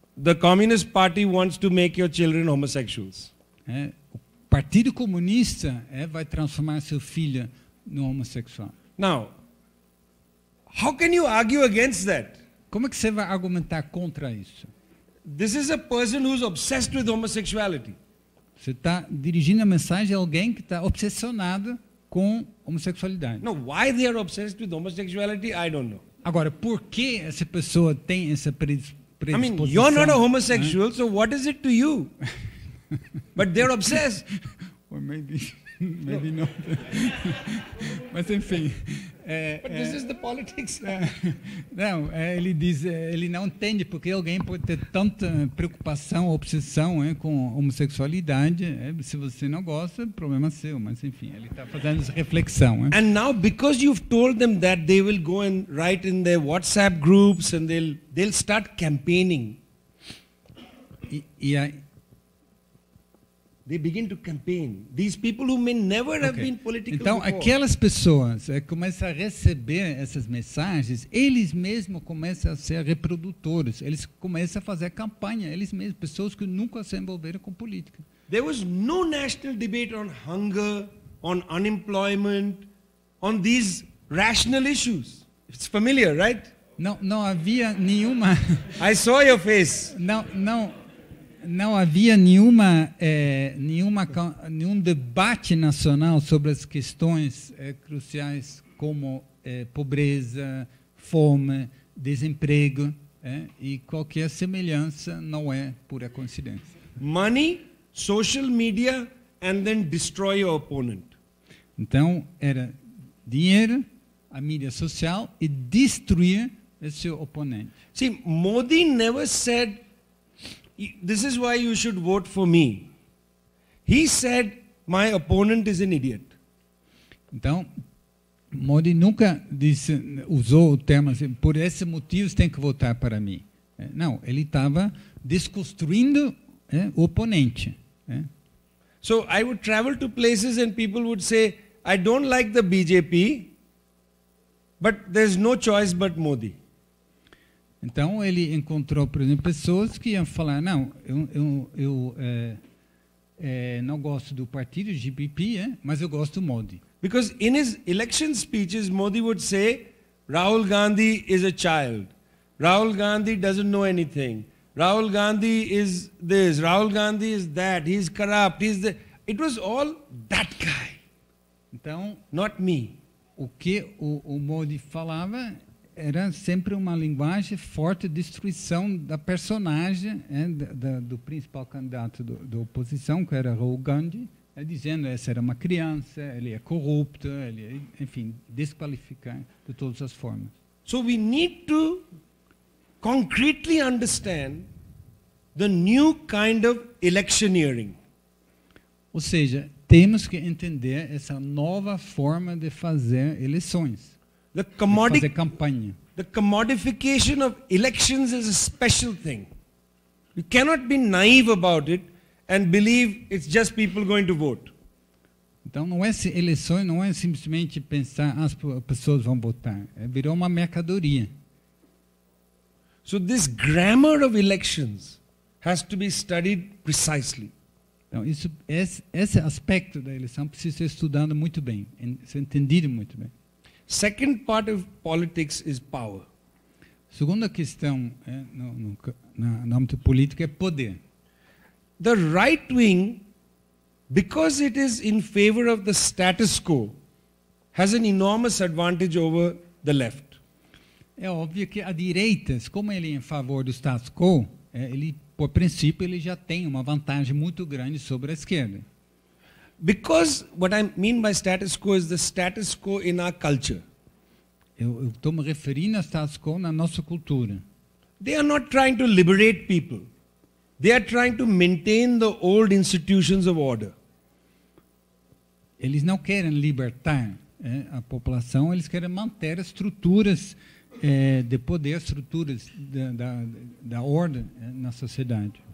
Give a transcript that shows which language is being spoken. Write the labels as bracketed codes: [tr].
[en] The Communist Party wants to make your children homosexuals. [pt] O Partido Comunista vai transformar seu filho no homossexual. [en] Now, how can you argue against that? [pt] Como é que você vai argumentar contra isso? [en] This is a person who's obsessed with homosexuality. [pt] Você está dirigindo a mensagem a alguém que está obsessionado com homossexualidade. [en] No, why they are obsessed with homosexuality, I don't know. [pt] Agora, por que essa pessoa tem essa predisposição? [en] I mean, you're not a homosexual, so what is it to you? But they're obsessed. Or maybe no. Not. [pt] Mas enfim. [en] But this is the politics. [pt] Não, ele diz, ele não entende porque alguém pode ter tanta preocupação, obsessão com homossexualidade. Se você não gosta, problema seu. Mas enfim, ele está fazendo essa reflexão. [en] And now, because you've told them that, they will go and write in their WhatsApp groups and they'll start campaigning. They begin to campaign. These people who may never have been political [pt] então, [en] before. [pt] Então, aquelas pessoas começam a receber essas mensagens, eles mesmos começam a ser reprodutores, eles começam a fazer campanha, eles mesmos, pessoas que nunca se envolveram com política. [en] There was no national debate on hunger, on unemployment, on these rational issues. It's familiar, right? [pt] Não havia nenhuma... [en] I saw your face. [pt] Não. Não havia nenhum debate nacional sobre as questões cruciais como pobreza, fome, desemprego, e qualquer semelhança não é pura coincidência. [en] Money, social media, and then destroy your opponent. [pt] Então era dinheiro, a mídia social e destruir esse oponente. [en] See, Modi never said. This is why you should vote for me. He said, my opponent is an idiot. [pt] Então, Modi nunca disse, usou o termo assim, por esses motivos tem que votar para mim. Não, ele estava desconstruindo o oponente. [en] So, I would travel to places and people would say, I don't like the BJP, but there's no choice but Modi. [pt] Então, ele encontrou, por exemplo, pessoas que iam falar, não, eu não gosto do partido, GBP, mas eu gosto do Modi. [en] Because in his election speeches, Modi would say, Rahul Gandhi is a child. Rahul Gandhi doesn't know anything. Rahul Gandhi is this. Rahul Gandhi is that. He's corrupt. He's the... It was all that guy. [pt] Então, [en] not me. [pt] O que o Modi falava... Era sempre uma linguagem forte de destruição da personagem do principal candidato da oposição, que era Rahul Gandhi, dizendo que essa era uma criança, ele é corrupto, ele é, enfim, desqualificar de todas as formas. [en] So we need to concretely understand the new kind of electioneering. [pt] Ou seja, temos que entender essa nova forma de fazer eleições. [en] The commodification of elections is a special thing. You cannot be naive about it and believe it's just people going to vote. [pt] Então não é eleições, não é simplesmente pensar as pessoas vão votar. Virou uma mercadoria. [en] So this grammar of elections has to be studied precisely. [pt] Então esse aspecto da eleição precisa ser estudado muito bem, ser entendido muito bem. [en] Second part of politics is power. [pt] Segunda questão no âmbito político é poder. [en] the right wing, because it is in favor of the status quo, has an enormous advantage over the left. [pt] É óbvio que a direita, como ele é em favor do status quo, ele, por princípio, ele já tem uma vantagem muito grande sobre a esquerda. [en] Because what I mean by status quo is the status quo in our culture. [pt] Eu estou me referindo a status quo na nossa cultura. [en] They are not trying to liberate people. They are trying to maintain the old institutions of order. [pt] Eles não querem libertar a população, eles querem manter as estruturas de poder, as estruturas da ordem na sociedade.